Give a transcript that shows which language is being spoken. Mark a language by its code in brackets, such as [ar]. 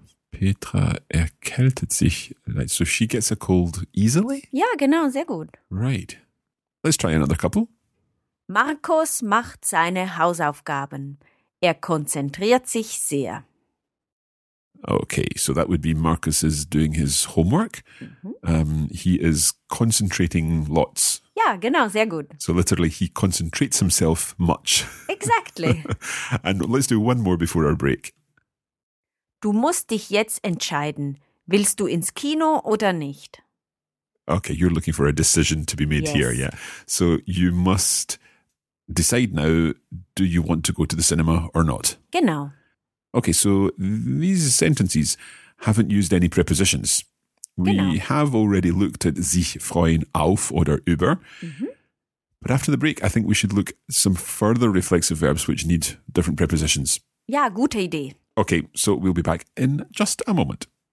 [de] Petra erkältet sich leicht. [en] So she gets a cold easily? [de] Ja, genau, sehr gut. [en] Right. Let's try another couple. [de] Markus macht seine Hausaufgaben. Er konzentriert sich sehr. [en] Okay, so that would be Marcus is doing his homework. Mm-hmm. He is concentrating lots. [de] Yeah, genau, sehr gut. [en] So literally, he concentrates himself much. Exactly. And let's do one more before our break. [de] Du musst dich jetzt entscheiden. Willst du ins Kino oder nicht? [en] Okay, you're looking for a decision to be made yes. here, yeah. So you must decide now, do you want to go to the cinema or not? [de] Genau. [en] Okay, so these sentences haven't used any prepositions. We [de] genau. [en] Have already looked at [de] sich freuen auf oder über. Mm-hmm. [en] But after the break, I think we should look at some further reflexive verbs which need different prepositions. [de] Ja, gute Idee. [en] Okay, so we'll be back in just a moment.